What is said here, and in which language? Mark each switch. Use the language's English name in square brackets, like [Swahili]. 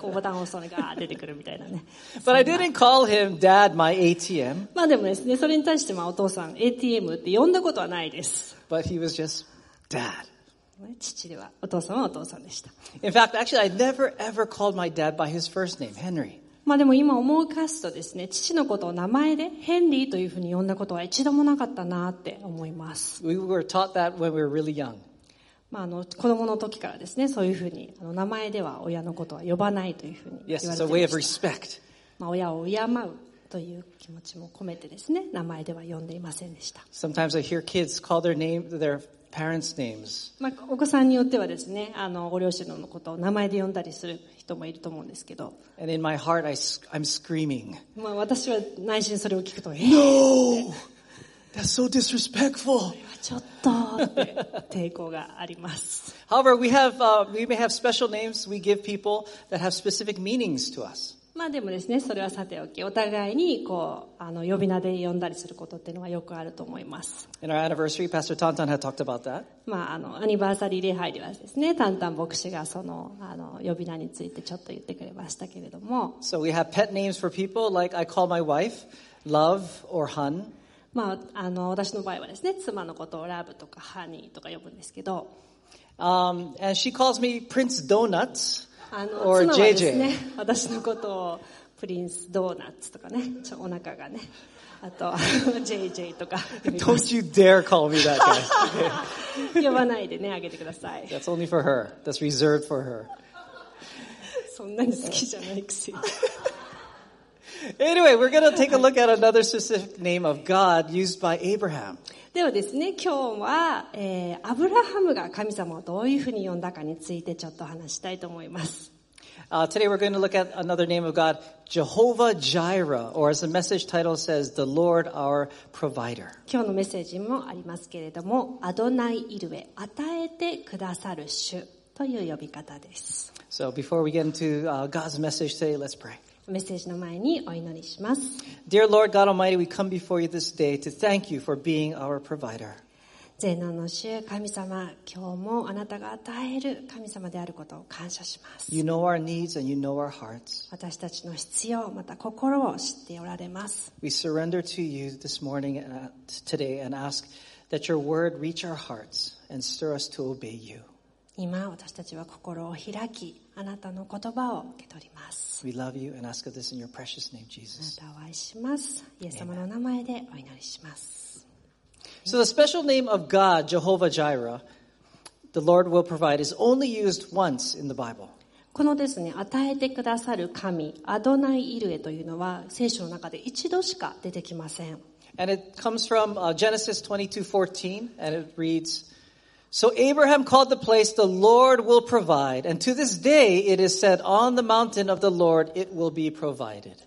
[Japanese] こうボタンを押すとね、ガー出てくるみたいなね。 [English] But I didn't call him Dad, my ATM. [Japanese] まあでもですね、それに対してまあお父さん ATM って呼んだことはないです。 [English] But he was just Dad. [Japanese] 父ではお父さんはお父さんでした。 [English] In fact, actually, I never ever called my dad by his first name, Henry. [Japanese] まあでも今思い返すとですね、父のことを名前でヘンリーというふうに呼んだことは一度もなかったなって思います。 [English] We were taught that when we were really young. [Japanese] まあ、子供の時からですね、そういうふうに、名前では親のことは呼ばないというふうに言われていました。 [English] Yes, a way of respect. [Japanese] まあ、親を敬うという気持ちも込めてですね、名前では呼んでいませんでした。 [English] Sometimes I hear kids call their name, their parents' names. [Japanese] まあ、お子さんによってはですね、ご両親のことを名前で呼んだりする人もいると思うんですけど。 [English] And in my heart, I'm screaming. [Japanese] まあ、私は内心それを聞くと、 [English] No! That's so disrespectful! [Japanese] ちょっと抵抗があります。 [English] However, we may have special names we give people that have specific meanings to us. [Japanese] まあでもですね、それはさておき、お互いにこう呼び名で呼んだりすることっていうのはよくあると思います。 [English] In our anniversary, Pastor Tantan had talked about that. [Japanese] まあアニバーサリー礼拝ではですね、タンタン牧師がその呼び名についてちょっと言ってくれましたけれども。 [English] So we have pet names for people like I call my wife Love or Hun. [Japanese] まあ、私の場合はですね、妻のことをラブとかハニーとか呼ぶんですけど。 [English] And she calls me Prince Donuts or JJ. [Japanese] 妻はですね、私のことをプリンスドーナツとかね、ちょお腹がね、あとJJ とか。 [English] Don't you dare call me that, guys. [Japanese] 呼ばないでね、あげてください。 [English] That's only for her. That's reserved for her. [Japanese] そんなに好きじゃないくせに。 [English] Anyway, we're going to take a look at another specific name of God used by Abraham. [Japanese] ではですね、今日は、アブラハムが神様をどういうふうに呼んだかについてちょっと話したいと思います。 [English] Today we're going to look at another name of God, Jehovah Jireh, or as the message title says, the Lord our provider. [Japanese] 今日のメッセージもありますけれども、アドナイイルエ、与えてくださる主という呼び方です。 [English] So before we get into God's message today, let's pray. [Japanese] メッセージの前にお祈りします。 [English] Dear Lord God Almighty, we come before you this day to thank you for being our provider. [Japanese] 全能の主、神様、今日もあなたが与える神様であることを感謝します。 [English] You know our needs and you know our hearts. [Japanese] 私たちの必要、また心を知っておられます。 [English] We surrender to you this morning and today and ask that your word reach our hearts and stir us to obey you. [Japanese] 今私たちは心を開きあなたの言葉を受け取ります。 [English] We love you and ask of this in your precious name, Jesus. [Japanese] あなたを愛します。イエス様の名前でお祈りします。 [English] So the special name of God, Jehovah Jireh, the Lord will provide, is only used once in the Bible. [Japanese] このですね、与えてくださる神アドナイイルエというのは聖書の中で一度しか出てきません。 [English] And it comes from Genesis 22:14 and it readsSo Abraham called the place the Lord will provide, and to this day it is said, on the mountain of the Lord it will be provided.